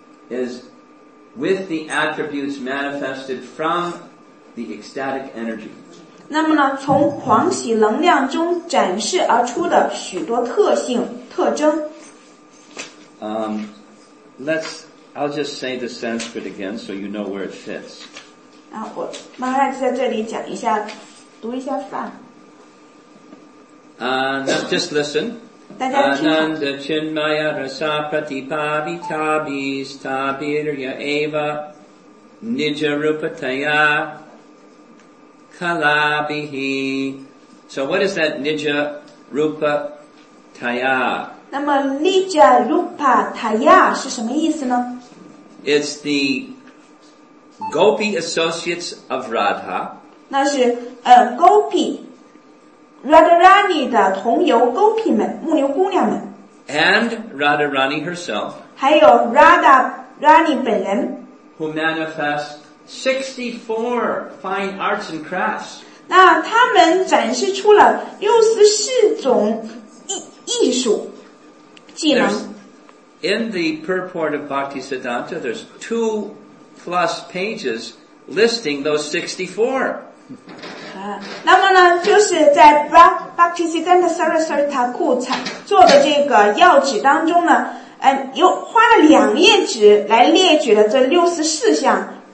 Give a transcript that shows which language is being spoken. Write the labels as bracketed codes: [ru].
[en] ，is with the attributes manifested from the ecstatic energy. [zh] 那么呢，从狂喜能量中展示而出的许多特性特征。 [en] I'll just say the Sanskrit again, so you know where it fits. [zh] 那我马上在这里讲一下，读一下梵。 [en] Just listen. [sa] Ananda Chinmaya Rasa Pratipavita Bhista Birya Eva Nija Rupataya Kalabihi. [en] So what is that Nija Rupataya? [zh] 那么 Nija Rupataya 是什么意思呢? [en] It's the Gopi associates of Radha. [zh] 那是Gopi. Radharani 的同游勾屁们牧牛姑娘们 [en] and Radharani herself [zh] 还有 Radharani 本人 [en] who manifest 64 fine arts and crafts [zh] 那他们展示出了64种 艺术技能 [en] in the purport of Bhaktisiddhanta there's 2 plus pages listing those 64 [zh] 那么呢就是在 Bhakti Siddhanta Sarasvati Thakur 做的这个要旨当中呢又花了两页纸来列举了这64项